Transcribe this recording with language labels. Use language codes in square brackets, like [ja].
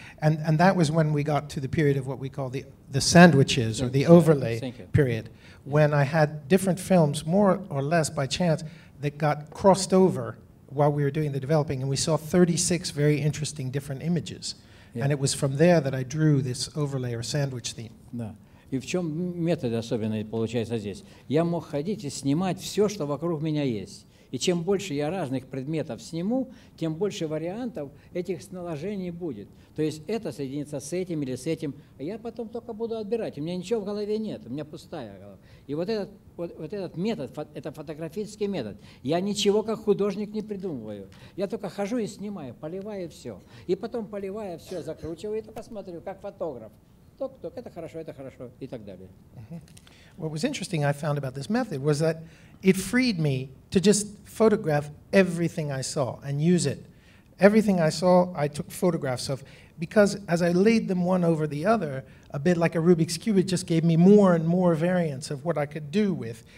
[en] And that was when we got to the period of what we call the sandwiches or the overlay period. When I had different films, more or less by chance, that got crossed over while we were doing the developing, and we saw 36 very interesting different images. Yeah. And it was from there that I drew this overlay or sandwich theme. [ru] Да. И в чем метод особенный получается здесь? Я мог ходить и снимать все, что вокруг меня есть. И чем больше я разных предметов сниму, тем больше вариантов этих наложений будет. То есть это соединится с этим или с этим. Я потом только буду отбирать. У меня ничего в голове нет, у меня пустая голова. И вот этот метод, это фотографический метод. Я ничего как художник не придумываю. Я только хожу и снимаю, поливаю все. И потом, поливая все, закручиваю и посмотрю, как фотограф. Ток-ток, это хорошо, и так далее. [en] What was interesting I found about this method was that it freed me to just photograph everything I saw and use it. Everything I saw, I took photographs of, because as I laid them one over the other, a bit like a Rubik's Cube, it just gave me more and more variants of what I could do with.